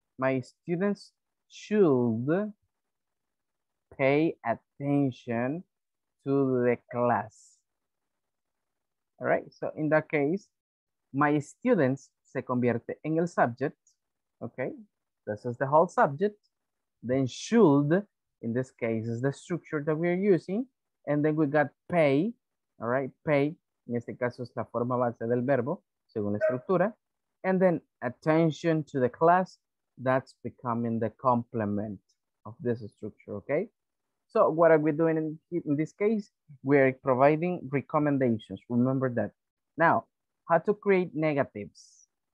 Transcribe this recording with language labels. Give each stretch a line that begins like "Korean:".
English: My students should pay attention to the class. All right? So in that case, my students
Spanish: se convierte en el
English: subject. Okay? This is the whole subject. Then should, in this case, is the structure that we are using. And then we got pay, all right?
Spanish: Pay, en este caso, es la forma base del verbo, según la estructura.
English: And then attention to the class, that's becoming the complement of this structure, okay? So what are we doing in this case? We are providing recommendations, remember that. Now, how to create negatives?